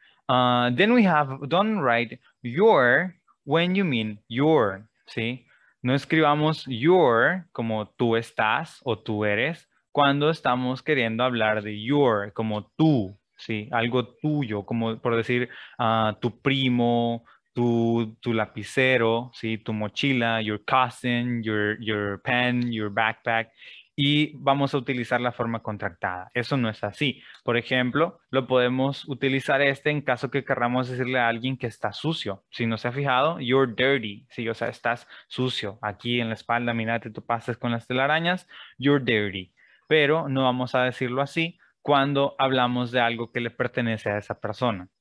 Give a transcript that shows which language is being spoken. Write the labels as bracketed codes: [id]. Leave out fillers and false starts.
[en] Then we have don't write your when you mean your, ¿sí? [es] No escribamos your como tú estás o tú eres cuando estamos queriendo hablar de your como tú, ¿sí? Algo tuyo, como por decir tu primo, tu lapicero, ¿sí? Tu mochila, [en] your cousin, your pen, your backpack. [es] Y vamos a utilizar la forma contractada. Eso no es así. Por ejemplo, lo podemos utilizar este en caso que querramos decirle a alguien que está sucio. Si no se ha fijado, [en] you're dirty. [es] Sí, o sea, estás sucio. Aquí en la espalda, mira, te topaste con las telarañas. [en] You're dirty. [es] Pero no vamos a decirlo así cuando hablamos de algo que le pertenece a esa persona.